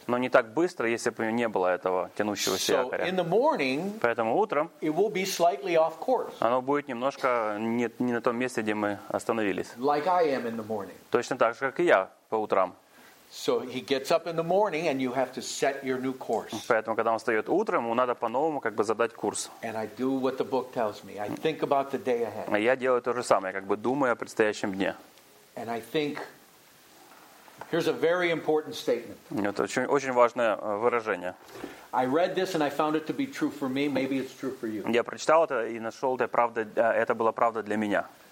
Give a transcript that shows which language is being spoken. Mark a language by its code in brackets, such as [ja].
[ru] Но не так быстро, если бы не было этого тянущегося якоря. [en] So in the morning, [ru] поэтому утром, [en] it will be slightly off course. [ru] Оно будет немножко не на том месте, где мы остановились. [en] Like I am in the morning. [ru] Точно так же, как и я по утрам. [en] So he gets up in the morning, and you have to set your new course. [ru] Поэтому, когда он встает утром, ему надо по-новому как бы задать курс. [en] And I do what the book tells me. I think about the day ahead. [ru] А я делаю то же самое, как бы думаю о предстоящем дне. [en] And I think here's a very important statement. [ru] Это очень, очень важное выражение. [en] I read this and I found it to be true for me. Maybe it's true for you. [ru] Я прочитал это и нашел это правда. Это была правда для меня.